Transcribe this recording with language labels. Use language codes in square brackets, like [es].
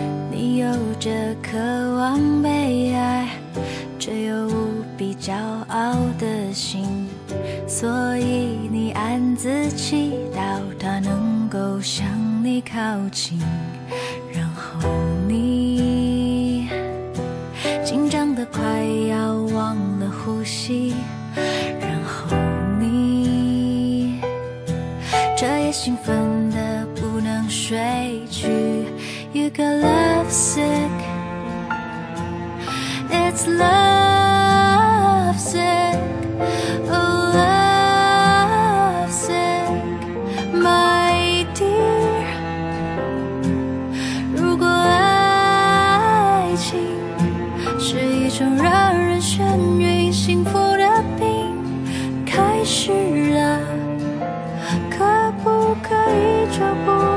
[zh] 你有着渴望被爱，却又无比骄傲的心，所以你暗自祈祷它能够向你靠近。然后你紧张得快要忘了呼吸，然后你彻夜兴奋得不能睡去。 [en] You got love sick, It's love sick, Oh love sick, My dear. [zh] 如果爱情是一种让人眩晕幸福的病，开始了可不可以就不